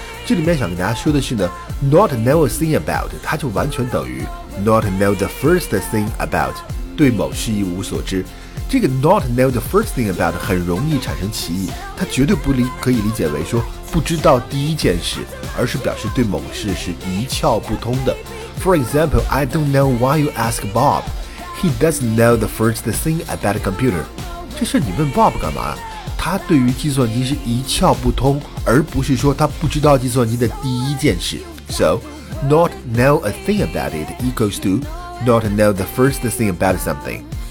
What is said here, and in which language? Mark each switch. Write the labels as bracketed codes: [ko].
[zh] 这里面想跟大家说的是呢， Not know a thing about 它就完全等于 Not know the first thing about， 对某事一无所知。这个 not know the first thing about 很容易产生歧义，它绝对不可以理解为说不知道第一件事，而是表示对某事是一窍不通的。 [en] For example, I don't know why you ask Bob. He doesn't know the first thing about a computer. [zh] 这事你问 Bob 干嘛？他对于计算机是一窍不通，而不是说他不知道计算机的第一件事。 [en] So, not know a thing about it equals to not know the first thing about something.